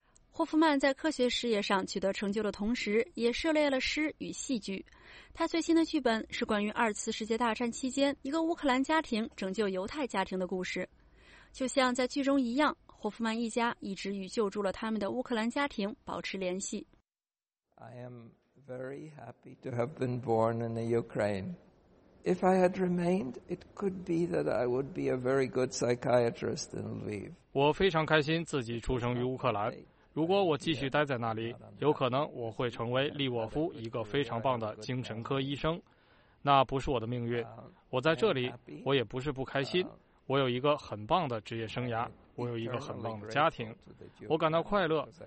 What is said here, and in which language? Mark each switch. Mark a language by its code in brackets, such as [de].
[zh] 霍夫曼在科学事业上取得成就的同时，也涉猎了诗与戏剧。他最新的剧本是关于2次世界大战期间一个乌克兰家庭拯救犹太家庭的故事。就像在剧中一样，霍夫曼一家一直与救助了他们的乌克兰家庭保持联系。 [en] Very happy to have been born in the Ukraine. If I had remained, it could be that I would be a very good psychiatrist in Lviv. [zh] 我非常开心自己出生于乌克兰。如果我继续待在那里，有可能我会成为利沃夫一个非常棒的精神科医生。那不是我的命运。我在这里，我也不是不开心。我有一个很棒的职业生涯，我有一个很棒的家庭，我感到快乐。